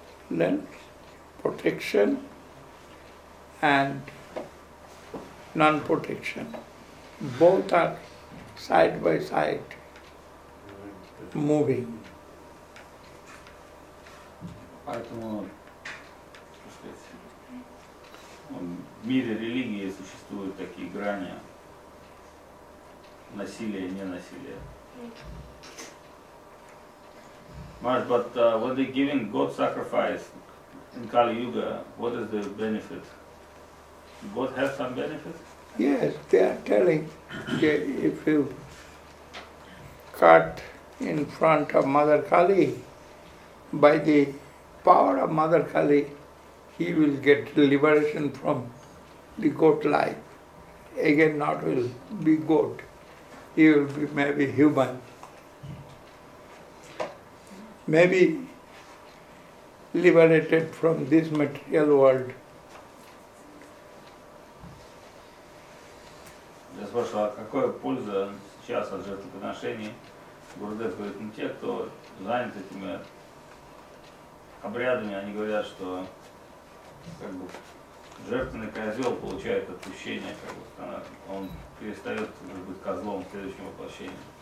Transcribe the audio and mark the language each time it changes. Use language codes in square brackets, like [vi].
[en] Then protection and non-protection, both are side by side moving. [ru] Поэтому в мире религии существуют такие грани насилия и ненасилия. [en] Maharaj, but when they're giving goat sacrifice in Kali Yuga, what is the benefit? Goat has some benefit? Yes, they are telling if you cut in front of Mother Kali, by the power of Mother Kali, he will get liberation from the goat life. Again, not will be goat, he will be maybe human. Maybe liberated from this material world. [ru] Я спрашивал, какая польза сейчас от жертвоприношений? Гурудев говорит, ну те, кто занят этими обрядами, они говорят, что как бы жертвенный козел получает отпущение, как бы он перестает быть козлом в следующем воплощении.